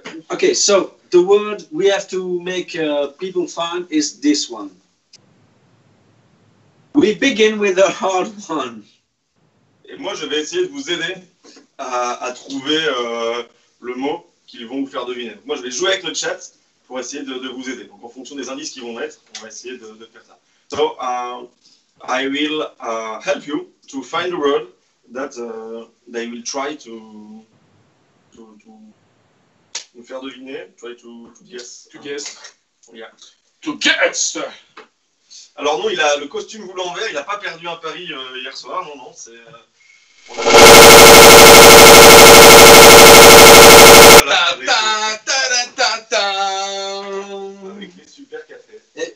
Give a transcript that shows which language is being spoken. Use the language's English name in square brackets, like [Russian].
[English] Okay, so the word we have to make people find is this one. We begin with a hard one. [French] Et moi, je vais essayer de vous aider à trouver le mot qu'ils vont vous faire deviner. Moi, je vais jouer avec le chat pour essayer de vous aider. Donc, en fonction des indices qu'ils vont mettre, on va essayer de faire ça. [English] So, I will help you to find the word that they will try to [French] faire deviner, [English] try to guess. To guess. Yeah. To guess. [French] Alors non, il a le costume vous l'envers, il n'a pas perdu un pari hier soir, non, non, c'est... Ta-ta-ta-ta-ta-ta. Avec les super cafés. Et...